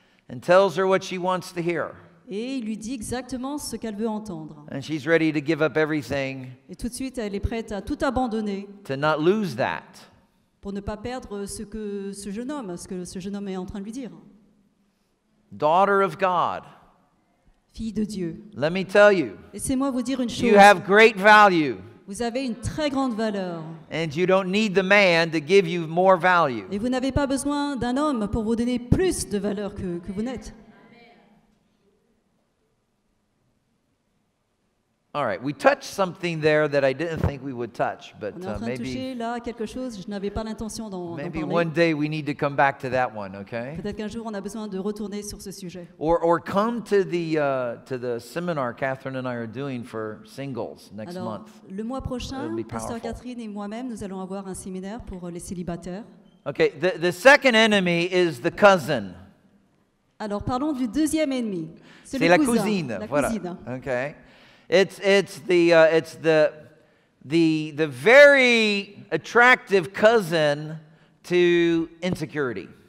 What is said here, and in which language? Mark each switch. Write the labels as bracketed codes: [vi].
[en] And tells her what she wants to hear. [fr] Et il lui dit exactement ce qu'elle veut entendre. [en] And she's ready to give up everything. [fr] Et tout de suite, elle est prête à tout abandonner. [en] To not lose that. [fr] Pour ne pas perdre ce que ce jeune homme est en train de lui dire. [en] Daughter of God. [fr] Fille de Dieu. [en] Let me tell you. [fr] Laissez-moi vous dire une chose. [en] You have great value. [fr] Vous avez une très grande valeur. [en] And you don't need the man to give you more value. [fr] Et vous n'avez pas besoin d'un homme pour vous donner plus de valeur que vous n'êtes. [en] All right, we touched something there that I didn't think we would touch, but maybe. [fr] Là quelque chose, je n'avais pas l'intention d'en parler. [en] Maybe one day we need to come back to that one, okay? [fr] Peut-être qu'un jour on a besoin de retourner sur ce sujet. [en] Or come to the seminar Kathryn and I are doing for singles next [fr] Alors, [en] month. [fr] Alors, le mois prochain, Pasteur Catherine et moi-même, nous allons avoir un séminaire pour les célibataires. [en] Okay, the second enemy is the cousin. [fr] Alors, parlons du deuxième ennemi. C'est la cousine. Voilà. [en] Okay. It's the very attractive cousin to insecurity.